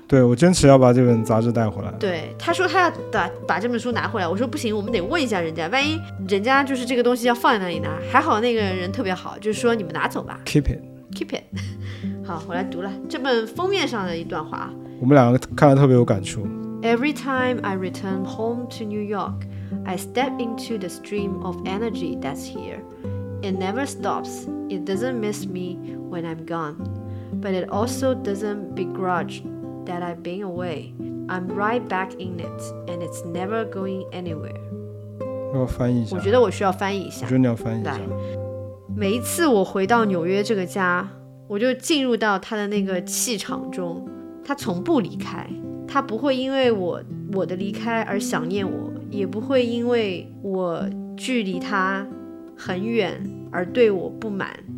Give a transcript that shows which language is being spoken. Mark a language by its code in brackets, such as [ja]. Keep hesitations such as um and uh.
[zh] 对，我坚持要把这本杂志带回来。对，他说他要把把这本书拿回来。我说不行，我们得问一下人家，万一人家就是这个东西要放在那里呢？还好那个人特别好，就是说你们拿走吧。 [en] Keep it, keep it。 [zh] 好，我来读了这本封面上的一段话我们两个看了特别有感触。 [en] Every time I return home to New York, I step into the stream of energy that's here. It never stops. It doesn't miss me when I'm gone. But it also doesn't begrudge that I've been away. I'm right back in it, and it's never going anywhere. [zh] 我翻译一下。我觉得我需要翻译一下。我觉得你要翻译一下。每一次我回到纽约这个家，我就进入到他的那个气场中。他从不离开，他不会因为我我的离开而想念我，也不会因为我距离他很远而对我不满。